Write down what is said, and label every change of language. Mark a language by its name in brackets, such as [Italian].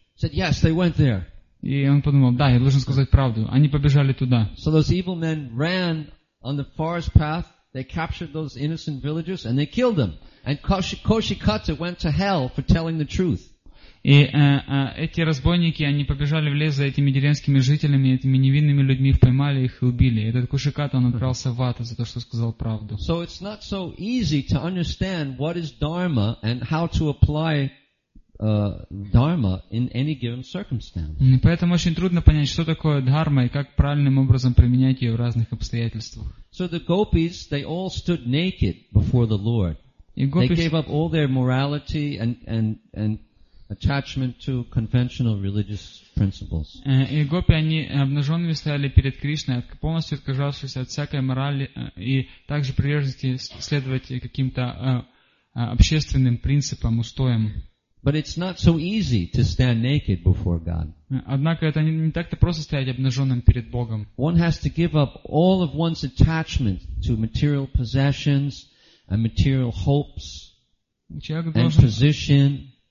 [English] He said, yes, they went there. [Russian] И он подумал, да, я должен сказать правду. Они побежали туда. [English] So those evil men ran on the forest path, they captured those innocent villagers and they killed them. And Кушиката went to hell for telling the truth. [Russian] И эти разбойники, они побежали в лес за этими деревенскими жителями, этими невинными людьми, поймали их и убили. Этот Кушиката, он отправился в ад за то, что сказал правду. [English] So it's not so easy to understand what is dharma and how to apply dharma in any given circumstance. [Russian] Поэтому очень трудно понять, что такое дхарма и как правильным образом применять ее в разных обстоятельствах. [English] So the gopis, they all stood naked before the Lord. They gave up all their morality and attachment to conventional religious principles. [Russian] И гопи, они обнаженными стояли перед Кришной, полностью отказавшись от всякой морали и также приверженности следовать каким-то общественным принципам, устоям. [English] But it's not so easy to stand naked before God. [Russian] Однако это не так-то просто стоять обнаженным перед Богом. [English] One has to give up all of one's attachment to material possessions and material hopes and position.